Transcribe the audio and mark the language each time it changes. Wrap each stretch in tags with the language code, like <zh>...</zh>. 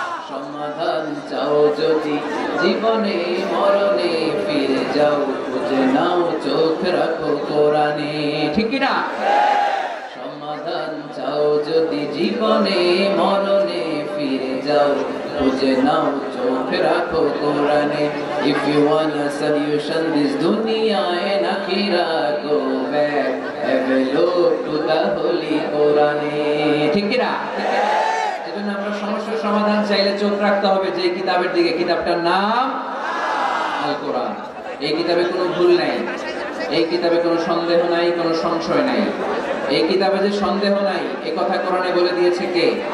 <bn>সমাধান চাও যদি জীবনে মরণে ফিরে যাও, খুঁজে নাও চোখ রাখো কোরআনে, ঠিক না? সমাধান চাও যদি জীবনে মরণে ফিরে যাও, খুঁজে নাও চোখ রাখো কোরআনে।</bn> <en>If you want a solution, this dunya and akhira, go back, have a look to the holy Quran.</en> <bn>ঠিক না? এজন্য আমরা সমস্যার সমাধান চাইলে চোখ রাখতে হবে যে কিতাবের দিকে। কিতাবটার নাম আল কোরআন। এই কিতাবে কোনো ভুল নাই, এই কিতাবে কোনো সন্দেহ নাই, কোনো সংশয় নাই। এই কিতাবে যে সন্দেহ নাই এ কথা কোরআনে বলে দিয়েছে কে?</bn>